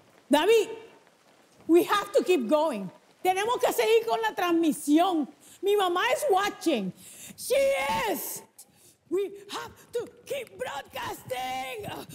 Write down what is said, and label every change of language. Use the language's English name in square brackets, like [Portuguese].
[English] David, we have to keep going. [Spanish] Tenemos que seguir con la transmisión. Mi mamá [English] is watching. She is. We have to keep broadcasting.